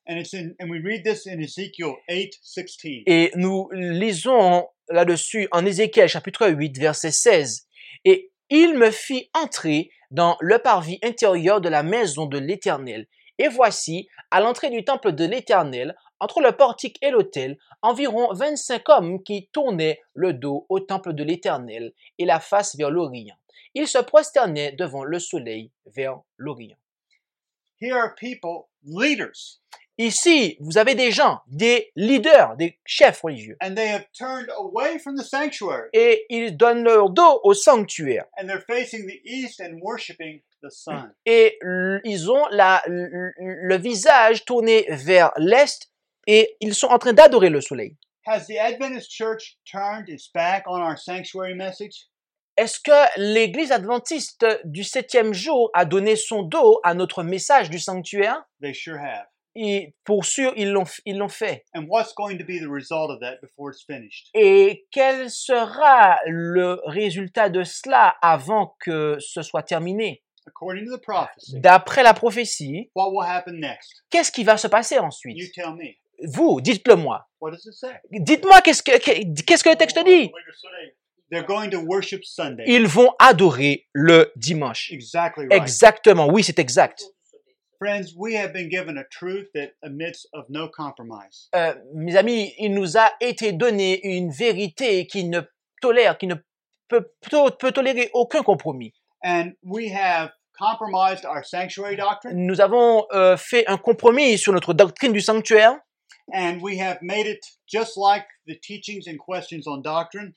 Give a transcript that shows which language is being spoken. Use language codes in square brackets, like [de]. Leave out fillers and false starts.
[en] And we read this in Ezekiel 8:16. [fr] Et nous lisons là-dessus en Ézéchiel chapitre 8, verset 16. Et il me fit entrer dans le parvis intérieur de la maison de l'Éternel. Et voici, à l'entrée du temple de l'Éternel, entre le portique et l'autel, environ 25 hommes qui tournaient le dos au temple de l'Éternel et la face vers l'Orient. Ils se prosternaient devant le soleil vers l'Orient. [en] Here are people, leaders. [fr] Ici, vous avez des gens, des leaders, des chefs religieux. [en] And they have turned away from the sanctuary. [fr] Et ils donnent leur dos au sanctuaire. [en] And they're facing the east and worshiping the sun. [fr] Et ils ont le visage tourné vers l'est. Et ils sont en train d'adorer le soleil. [en] Has the Adventist Church turned its back on our sanctuary message? [fr] Est-ce que l'Église adventiste du septième jour a donné son dos à notre message du sanctuaire? [en] They sure have. [fr] Et pour sûr, ils l'ont fait. [en] And what's going to be the result of that before it's finished? [fr] Et quel sera le résultat de cela avant que ce soit terminé? [en] According to the prophecy. [fr] D'après la prophétie. [en] What will happen next? [fr] Qu'est-ce qui va se passer ensuite? [en] You tell me. [fr] Vous, dites-le-moi. [en] What does it say? [fr] Dites-moi qu'est-ce que le texte dit. [en] They're going to worship Sunday. [fr] Ils vont adorer le dimanche. [en] Exactly right. [fr] Exactement, oui, c'est exact. [en] Friends, we have been given a truth that admits of no compromise. [fr] Mes amis, il nous a été donné une vérité qui ne peut tolérer aucun compromis. [en] And we have compromised our sanctuary doctrine. [fr] Nous avons fait un compromis sur notre doctrine du sanctuaire. [en] And we have made it just like the teachings and questions on doctrine.